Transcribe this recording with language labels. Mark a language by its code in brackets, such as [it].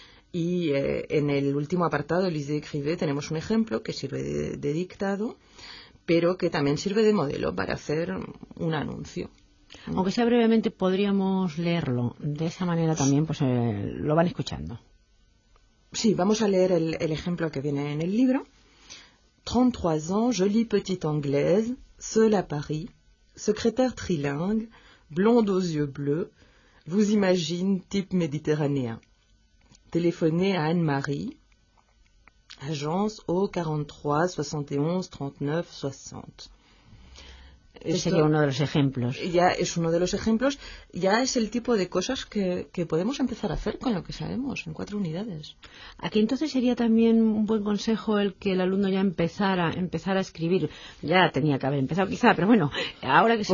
[es] Y en el último apartado, Lise d'écrivez, tenemos un ejemplo que sirve de dictado, pero que también sirve de modelo para hacer un anuncio. Aunque sea brevemente, podríamos leerlo. De esa manera también pues lo van escuchando. Sí, vamos a leer el ejemplo que viene en el libro. [fr] 33 ans, jolie petite anglaise, seule à Paris, secrétaire trilingue, blonde aux yeux bleus, vous imagine type méditerranéen. Téléphonez à Anne-Marie, agence au 43 71 39 60. [es] Este sería uno de los ejemplos. Ya es uno de los ejemplos. Ya es el tipo de cosas que podemos empezar a hacer con lo que sabemos, en cuatro unidades. Aquí entonces sería también un buen consejo el que el alumno ya empezara a escribir. Ya tenía que haber empezado quizá, pero bueno, ahora que se